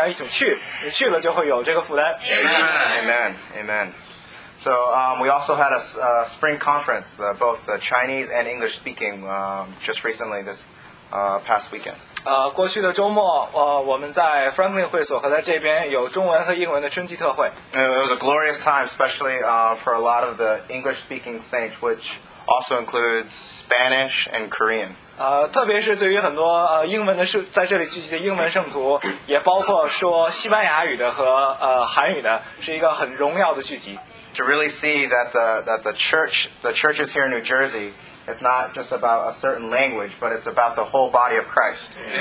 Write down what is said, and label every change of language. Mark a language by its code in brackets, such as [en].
[zh] 我要加强的是，即使你没有这个负担，你要一起去，你去了就会有这个负担。 Amen. Amen. [en] So we also had a spring conference, both Chinese and English speaking, just recently this past weekend. [zh] 过去的周末，我们在 Franklin 会所和在这边有中文和英文的春季特会。 [en] It was a glorious time, especially for a lot of the English-speaking saints, which also includes Spanish and Korean. [zh] 特别是对于很多英文的在这里聚集的英文圣徒，也包括说西班牙语的和韩语的，是一个很荣耀的聚集。 [en] To really see that the churches here in New Jersey. It's not just about a certain language, but it's about the whole body of Christ.